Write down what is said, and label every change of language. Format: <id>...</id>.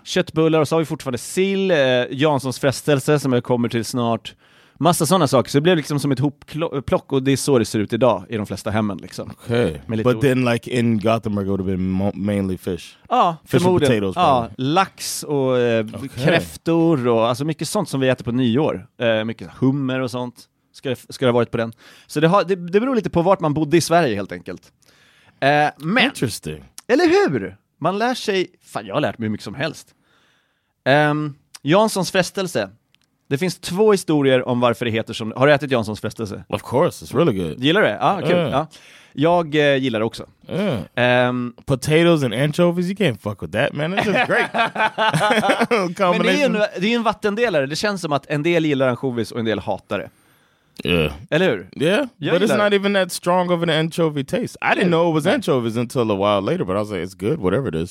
<sv>Köttbullar, och så har vi fortfarande sill, Janssons frestelse som jag kommer till snart. Massa sådana saker. Så det blev liksom som ett hopplock, och det är så det ser ut idag i de flesta hemmen liksom. Okej.</sv> <en>Okay. But then like in Gothenburg it would have been mainly fish.</en> <sv>Ja, förmodligen.</sv> <en>Fish and potatoes,</en> <sv>lax och kräftor och alltså mycket sånt som vi äter på nyår. Mycket hummer och sånt. Ska det ha varit på den. Så det beror lite på vart man bodde i Sverige helt enkelt. Men,</sv> <en>interesting.</en> <sv>Eller hur? Man lär sig... Fan, jag har lärt mig hur mycket som helst. Janssons frestelse. Det finns två historier om varför det heter som... Har du ätit Janssons frestelse?</sv> <en>Of course, it's really good.</en> <sv>Gillar du det? Ah, kul. Ja, kul. Jag gillar det också.</sv> <en>Potatoes and anchovies, you can't fuck with that, man. It's just great.</en> <sv>Men det är ju en vattendelare. Det känns som att en del gillar anchovies och en del hatar det.</sv> <en>Yeah.</en> <sv>Eller hur?</sv> <en>Yeah, jag but it's not even that strong of an anchovy taste. I didn't know it was anchovies until a while later, but I was like, it's good, whatever it is.</en>